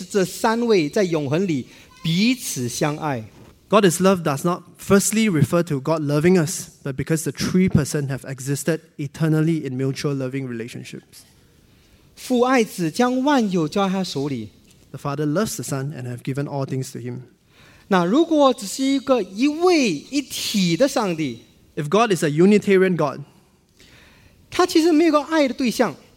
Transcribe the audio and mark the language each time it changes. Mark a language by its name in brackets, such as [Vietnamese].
[Chinese] 神是爱，就指的是其实不是神爱我们的爱，而是神他在他里面是这三位在永恒里彼此相爱。 [English] God is love does not firstly refer to God loving us, but because the three persons have existed eternally in mutual loving relationships. [Chinese] 父爱子将万有交在他手里。 [English] The Father loves the Son and have given all things to him. [Chinese] 那如果只是一个一位一体的上帝， [English] If God is a Unitarian God, [Chinese] 他其实没有个爱的对象，